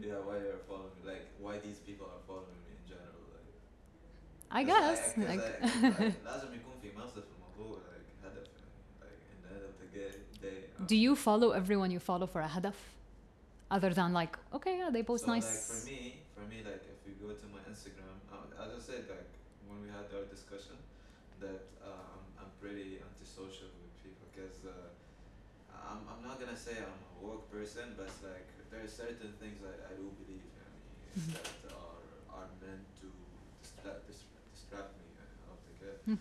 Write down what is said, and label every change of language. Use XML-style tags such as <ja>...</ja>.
<en>Yeah, why are you following me? Like, why these people are following me in general? Like, I guess. Like,</en> <ar>لازم يكون في مصدر في الموضوع,</ar> <en>like هدف, like in the end of the day. Do you follow everyone you follow for a هدف, other than like, okay, yeah, they post so nice. Like for me, like if you go to my Instagram, as I said, like when we had our discussion, that I'm pretty antisocial with people, because I'm not gonna say I'm a woke person, but like there are certain things that I do believe in, that are meant to distract me out the gate.</en>